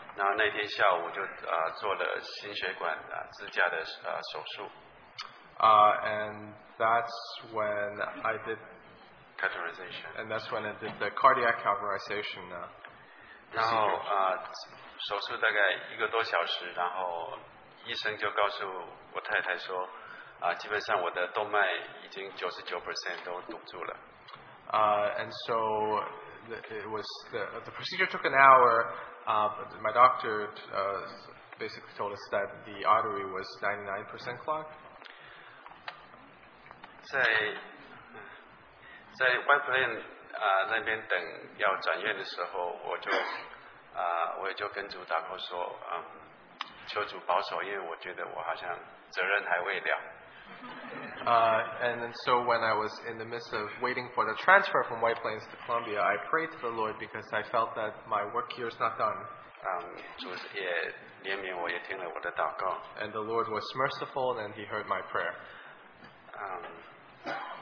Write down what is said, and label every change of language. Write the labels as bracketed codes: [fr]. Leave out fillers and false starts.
[zh] 然后那天下午我就做了心血管支架的手术。 [en] And that's when I did cauterization. And that's when I did the cardiac cauterization. [zh] 然后手术大概一个多小时，然后医生就告诉我太太说，基本上我的动脉已经 99% 都堵住了。 [en] And so the procedure took an hour, but my doctor basically told us that the artery was 99% clogged. [zh] 在 White Plains 那边等要转院的时候，我就我也就跟主祷告说，求主保守，因为我觉得我好像责任还未了。 [en] And so when I was in the midst of waiting for the transfer from White Plains to Columbia, I prayed to the Lord because I felt that my work here is not done. [zh] 主也怜悯我，也听了我的祷告。 [en] And the Lord was merciful and He heard my prayer.